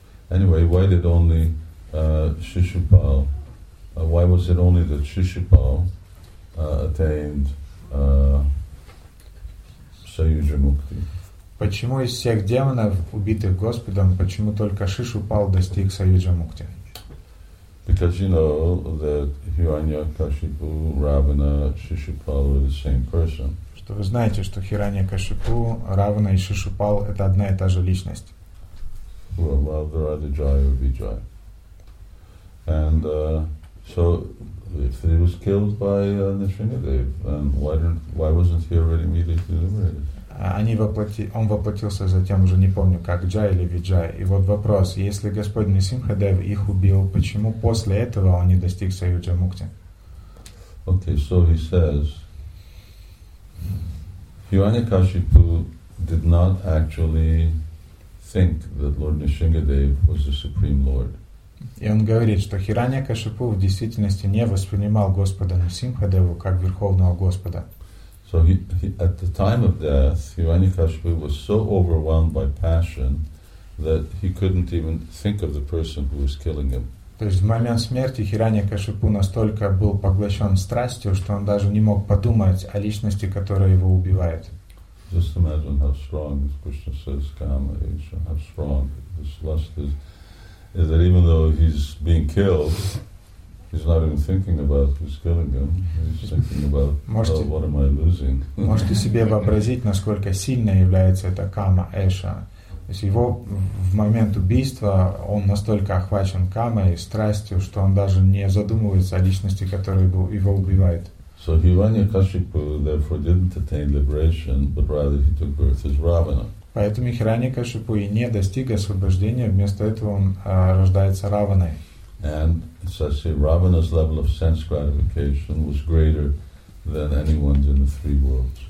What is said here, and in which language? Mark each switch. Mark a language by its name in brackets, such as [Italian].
[English] Anyway, why did only Shishupal? Why was it only that Shishupal attained Sayuja Mukti? [Russian] Почему из всех демонов, убитых Господом, почему только Шишупал достиг Саюджа Мукти? [English] Because you know that Hiranyakashipu, Ravana, Shishupal are the same person. [Russian] То вы знаете, что Хираньякашипу, Равана и Шишупал — это одна и та же личность. [English] Well, either Jaya or Vijaya. And so, if he was killed by Nrisimhadev, then why wasn't he already immediately liberated? [Russian] Он воплотился затем уже, не помню, как Джай или Виджай. И вот вопрос, если Господь Нрисимхадев их убил, почему после этого он не достиг Саюджа Мукти? [English] Okay, so he says, Hiranyakashipu did not actually think that Lord Nrisimhadev was the Supreme Lord. [Russian] И он говорит, что Хиранья-кашипу в действительности не воспринимал Господа Нрисимхадеву как Верховного Господа. [English] So he at the time of death, Hiranyakashipu was so overwhelmed by passion that he couldn't even think of the person who was killing him. [Russian] То есть в момент смерти Хиранья-кашипу настолько был поглощен страстью, что он даже не мог подумать о личности, которая его убивает. [English] Just imagine how strong, as Krishna says, kama is, how strong this lust is that even though he's being killed, he's not even thinking about who's killing him. He's thinking about, what am I losing? [Russian] Можете себе вообразить, насколько сильной является эта кама, эша. То есть его в момент убийства он настолько охвачен камой, страстью, что он даже не задумывается о личности, которая его убивает. [English] So Hiranyakashipu therefore didn't attain liberation, but rather he took birth as Ravana. [Russian] Поэтому Хиранья-кашипу и не достиг освобождения, вместо этого он рождается Раваной. [English] And it says here, Ravana's level of sense gratification was greater than anyone's in the three worlds.